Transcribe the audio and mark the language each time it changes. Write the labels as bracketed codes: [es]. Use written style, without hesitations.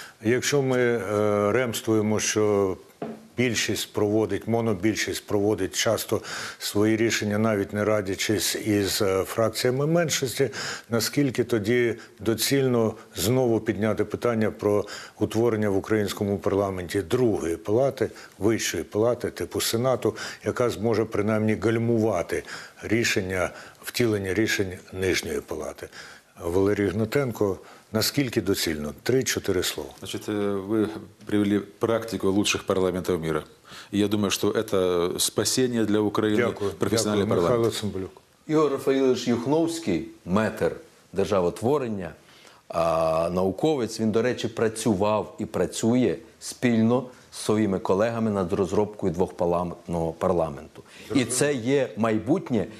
[uk] Якщо ми ремствуємо, що більшість проводить, монобільшість проводить часто свої рішення, навіть не радячись із фракціями меншості, наскільки тоді доцільно знову підняти питання про утворення в українському парламенті другої палати, вищої палати, типу Сенату, яка зможе принаймні гальмувати рішення, втілення рішень нижньої палати. Валерій Гнатенко, наскільки доцільно? 3-4 слова. [ru] Значит, вы привели практику лучших парламентов мира. И я думаю, что это спасение для Украины. [uk] Дякую. [ru] Профессиональный [uk] Дякую. Парламент. Михайло Цимбалюк. Ігор Рафаїлович Юхновський, метр державотворення, науковець, він, до речі, працював і працює спільно з своїми колегами над розробкою двохпалатного парламенту. І це є майбутнє.